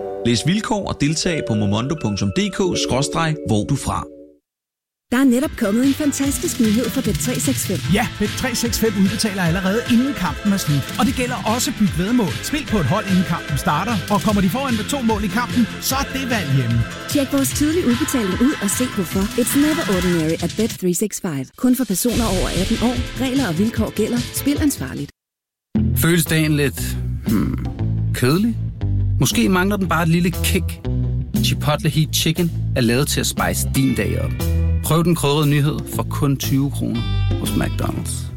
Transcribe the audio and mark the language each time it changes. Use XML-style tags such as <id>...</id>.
<da>Læs vilkår og deltag på momondo.dk/hvordufra. Der er netop kommet en fantastisk nyhed fra Bet365. Ja, Bet365 udbetaler allerede inden kampen er slut. Og det gælder også byg vedmål. Spil på et hold, inden kampen starter. Og kommer de foran med 2 mål i kampen, så er det valg hjemme. Tjek vores tidlige udbetaling ud og se hvorfor.</da> <en>It's never ordinary at Bet365.</en> <da>Kun for personer over 18 år. Regler og vilkår gælder. Spil ansvarligt. Føles dagen lidt kedelig? Måske mangler den bare et lille kick. Chipotle Heat Chicken er lavet til at spice din dag op. Prøv den krydrede nyhed for kun 20 kroner hos McDonald's.</da>